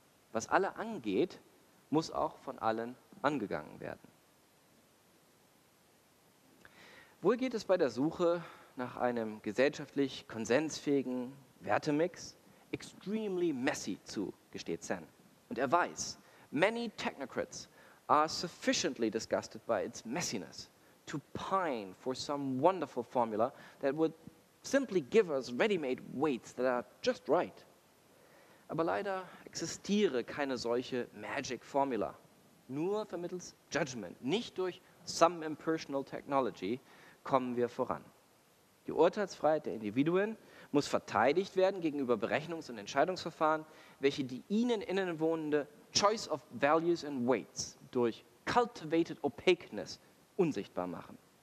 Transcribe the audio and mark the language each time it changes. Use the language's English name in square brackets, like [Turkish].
[German] Was alle angeht, muss auch von allen angegangen werden. Wohl geht es bei der Suche nach einem gesellschaftlich konsensfähigen Wertemix extremely messy zu, gesteht Sen. Und er weiß, [English] many technocrats are sufficiently disgusted by its messiness to pine for some wonderful formula that would simply give us ready-made weights that are just right. [German] Aber leider existiere keine solche magic formula. Nur vermittels Judgment, nicht durch [English] some impersonal technology, [German] kommen wir voran. Die Urteilsfreiheit der Individuen muss verteidigt werden gegenüber Berechnungs- und Entscheidungsverfahren, welche die ihnen innewohnende [English] Choice of Values and Weights [German] durch [English] cultivated opaqueness [German] unsichtbar machen.